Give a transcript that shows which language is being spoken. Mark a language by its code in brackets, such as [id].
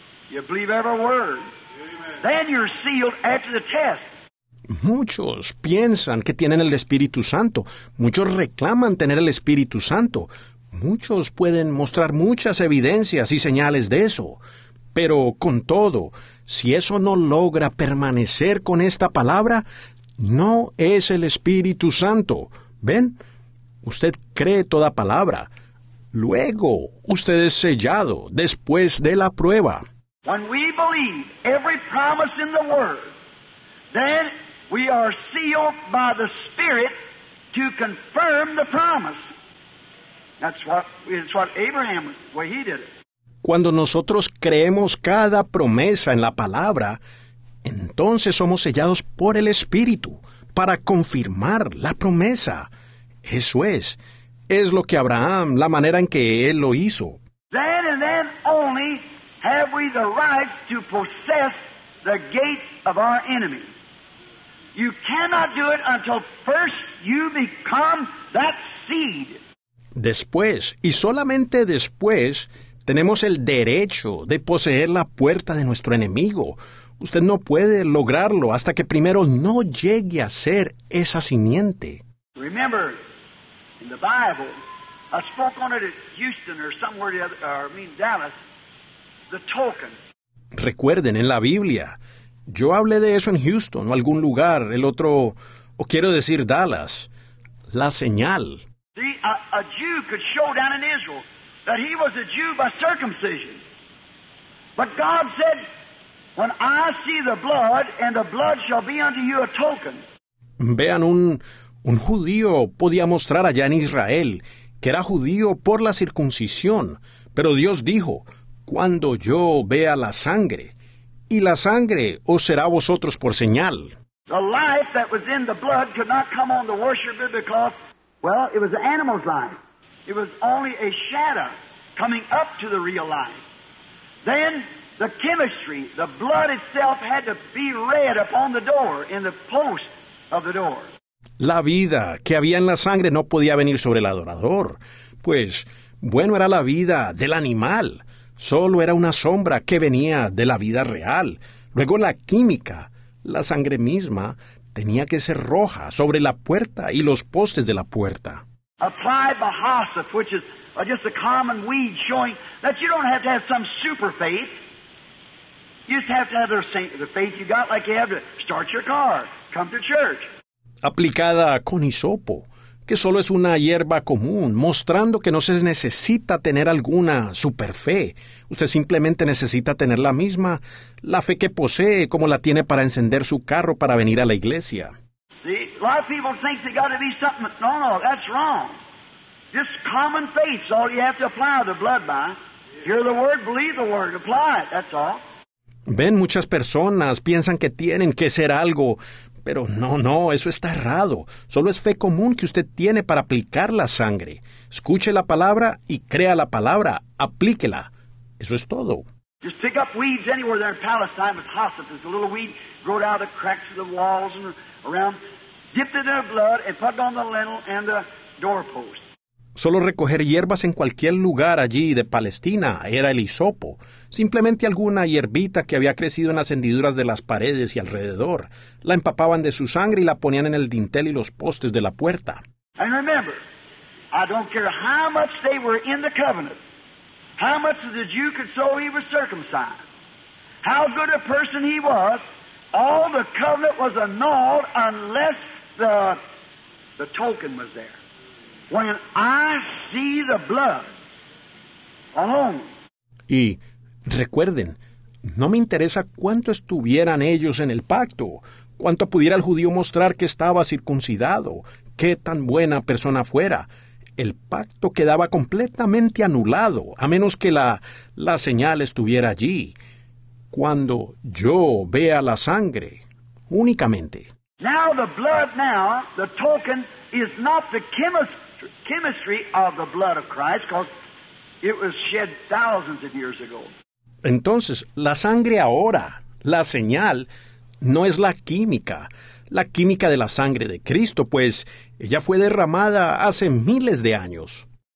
[en] You believe every word. Then you're sealed after the test. [es] Muchos piensan que tienen el Espíritu Santo. Muchos reclaman tener el Espíritu Santo. Muchos pueden mostrar muchas evidencias y señales de eso. Pero con todo, si eso no logra permanecer con esta palabra, no es el Espíritu Santo. ¿Ven? Usted cree toda palabra. Luego, usted es sellado después de la prueba. [en] When we believe every promise in the Word, then we are sealed by the Spirit to confirm the promise. That's what Abraham, well, he did it. [es] Cuando nosotros creemos cada promesa en la palabra, entonces somos sellados por el Espíritu para confirmar la promesa. Eso es lo que Abraham, la manera en que él lo hizo. [en] Then and then only have we the right to possess the gates of our enemy. You cannot do it until first you become that seed. [es] Después, y solamente después, tenemos el derecho de poseer la puerta de nuestro enemigo. Usted no puede lograrlo hasta que primero no llegue a ser esa simiente. [en] Remember, in the Bible, I spoke on it at Houston or somewhere, the other, or, I mean Dallas, the token. [es] Recuerden, en la Biblia, yo hablé de eso en Houston o algún lugar, el otro, o quiero decir Dallas, la señal. [en] See, a Jew could show down in Israel that he was a Jew by circumcision. But God said, when I see the blood, and the blood shall be unto you a token. [es] Vean, un judío podía mostrar allá en Israel que era judío por la circuncisión, pero Dios dijo, cuando yo vea la sangre, y la sangre os será a vosotros por señal. [en] The life that was in the blood could not come on the worshiper because, well, it was the animal's life. It was only a shadow coming up to the real life. Then the chemistry, the blood itself had to be read upon the door, in the post of the door. [es] La vida que había en la sangre no podía venir sobre el adorador, pues, bueno, era la vida del animal. Solo era una sombra que venía de la vida real. Luego la química, la sangre misma, tenía que ser roja sobre la puerta y los postes de la puerta. [en] Apply Bahasif, which is just a common weed, showing that you don't have to have some super faith. You just have to have the faith you got, like you have to start your car, come to church. [es] Aplicada con hisopo, que solo es una hierba común, mostrando que no se necesita tener alguna superfe. Usted simplemente necesita tener la misma, la fe que posee, como la tiene para encender su carro para venir a la iglesia. [en] See, a lot of people think they got to be something. No, no, that's wrong. Just common faith is all you have to apply the blood by. Hear the word, believe the word, apply it, that's all. [es] Ven, muchas personas piensan que tienen que ser algo, pero no, no, eso está errado. Solo es fe común que usted tiene para aplicar la sangre. Escuche la palabra y crea la palabra. Aplíquela. Eso es todo. [en] Just pick up weeds anywhere there in Palestine with hyssop. There's a little weed grown out of the cracks of the walls and around. Dip it in their blood and put it on the lintel and the doorpost. [es] Solo recoger hierbas en cualquier lugar allí de Palestina era el hisopo. Simplemente alguna hierbita que había crecido en las hendiduras de las paredes y alrededor. La empapaban de su sangre y la ponían en el dintel y los postes de la puerta. [en] And remember, I don't care how much they were in the covenant, how much of the Jew could so he was circumcised, how good a person he was, all the covenant was annulled unless the token was there. When I see the blood alone. [es] Y recuerden, no me interesa cuánto estuvieran ellos en el pacto, cuánto pudiera el judío mostrar que estaba circuncidado, qué tan buena persona fuera. El pacto quedaba completamente anulado, a menos que la señal estuviera allí. Cuando yo vea la sangre, únicamente. [en] Now the blood now, the token, is not the chemistry of the blood of Christ, because it was shed thousands of years ago. [es] Entonces, la sangre ahora, la señal, no es la química de la sangre de Cristo, pues ella fue derramada hace miles de años.